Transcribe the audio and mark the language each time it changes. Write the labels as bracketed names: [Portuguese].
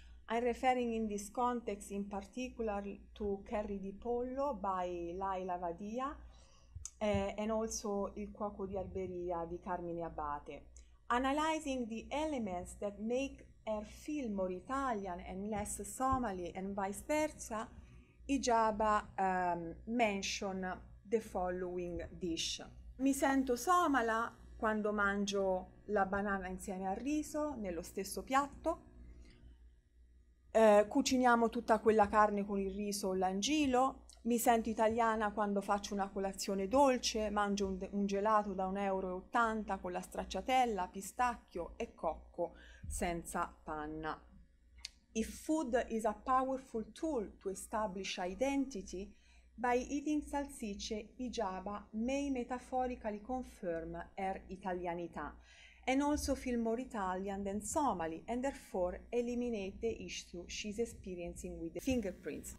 [English] I'm referring in this context in particular to Curry di Pollo by Laila Vadia and also Il Cuoco di Alberia di Carmine Abate. Analyzing the elements that make her feel more Italian and less Somali and vice versa, Igiaba mentioned the following dish. [Italian] Mi sento somala quando mangio la banana insieme al riso nello stesso piatto. Cuciniamo tutta quella carne con il riso o l'angilo. Mi sento italiana quando faccio una colazione dolce, mangio un gelato da 1,80 euro con la stracciatella, pistacchio e cocco senza panna. [English] If food is a powerful tool to establish identity, by eating salsicce, Igiaba may metaphorically confirm her italianità and also feel more Italian than Somali and therefore eliminate the issue she's experiencing with the fingerprints.